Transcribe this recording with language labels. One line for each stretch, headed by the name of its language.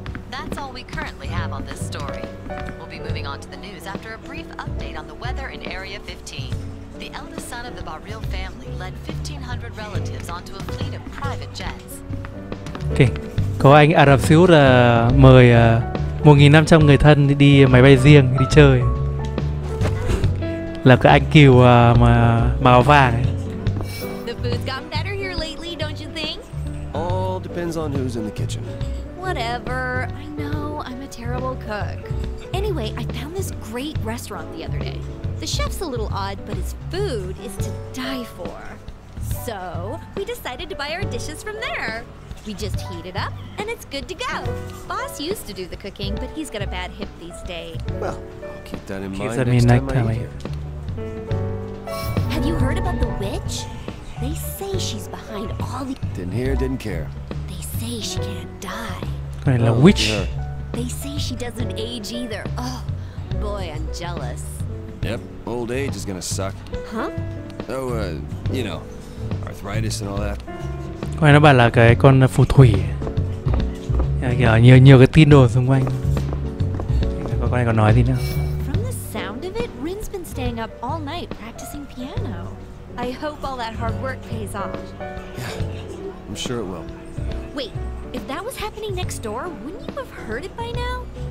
English: That's all we currently have on this story. We'll be moving on to the news after a brief update on the weather in Area 15. The eldest son of the Barril family led 1,500 relatives onto a fleet of private jets. Okay.
Vietnamese: Có anh Ả Rập Xê Út là mời 1,500 người thân đi máy bay riêng đi chơi. Là cái anh cừu mà màu vàng ấy.
English: The food's gotten better here lately, don't you think? All depends on who's in the kitchen. Whatever. I know I'm a terrible cook. Anyway, I found this great restaurant the other day. The chef's a little odd, but his food is to die for. So, we decided to buy our dishes from there. We just heat it up and it's good to go. Boss used to do the cooking, but he's got a bad hip these days. Well, I'll keep that in mind next time I eat here. Have you heard about the witch? They say she's behind all the... Didn't hear, didn't care. They say she can't die. Well, a witch. They say she doesn't age either. Oh, boy, I'm jealous. Yep, old age is gonna suck. Huh? Oh, you know, arthritis and all that.
Vietnamese: Có nó bảo là cái con phù thủy. Kiểu nhiều nhiều cái tin đồn xung quanh. Có con này còn nói gì nữa.
English: From the sound of it, Rin's been staying up all night practicing piano. I hope all that hard work pays off. Yeah, I'm sure it will. Wait, if that was happening next door, wouldn't you have heard it by now?